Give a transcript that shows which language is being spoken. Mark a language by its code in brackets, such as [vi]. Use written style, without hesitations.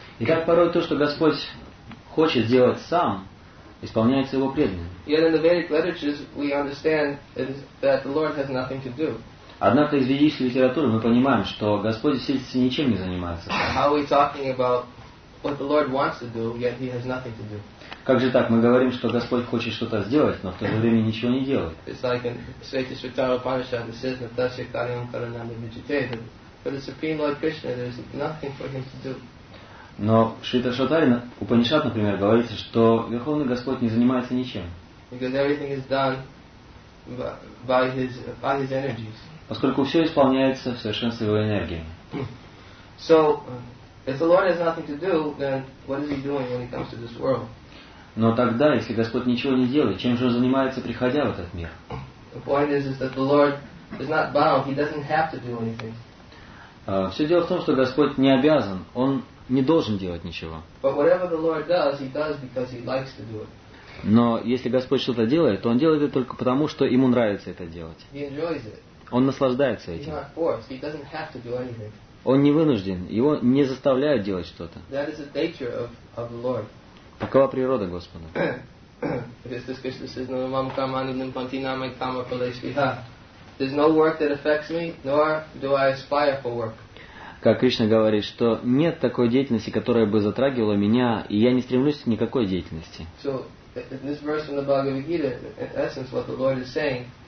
[ru] Итак, порой то, что Господь хочет сделать сам, исполняется Его преданными. [en] Yet in the Vedic literatures we understand that the Lord has nothing to do. [ru] Однако из ведической литературы мы понимаем, что Господь действительно ничем не занимается. [en] How are we talking about what the Lord wants to do, yet He has nothing to do? [ru] Как же так? Мы говорим, что Господь хочет что-то сделать, но в то же время ничего не делает. [en] It's like in Sveti Svetara Upanishad, it says, [sa] Natasya Kariyam Karanami Vijitehu. [en] For the Supreme Lord Krishna, there is nothing for Him to do. [ru] Но Шрита Шатари, Упанишад, например, говорится, что Верховный Господь не занимается ничем. [en] Because everything is done by His energies. [ru] Поскольку все исполняется в совершенстве Его энергии. [en] So, if the Lord has nothing to do, then what is He doing when He comes to this world? [ru] Но тогда, если Господь ничего не делает, чем же Он занимается, приходя в этот мир? [en] The point is that the Lord is not bound. He doesn't have to do anything. [ru] Все дело в том, что Господь не обязан. Он не должен делать ничего. [en] But whatever the Lord does, He does because He likes to do it. [ru] Но если Господь что-то делает, то Он делает это только потому, что Ему нравится это делать. [en] He enjoys it. [ru] Он наслаждается этим. [en] He's not forced. He doesn't have to do anything. [ru] Он не вынужден. Его не заставляют делать что-то. [en] That is the nature of the Lord. [ru] Такова природа Господа. [sa] Христос Кришна says, "No mam kamanidam pantinamai kama paleshviha." [en] There's no work that affects me, nor do I aspire for work. [ru] Как Кришна говорит, что нет такой деятельности, которая бы затрагивала меня, и я не стремлюсь к никакой деятельности. [en] So, in this verse from the Bhagavad-gita, in essence, what the Lord is saying.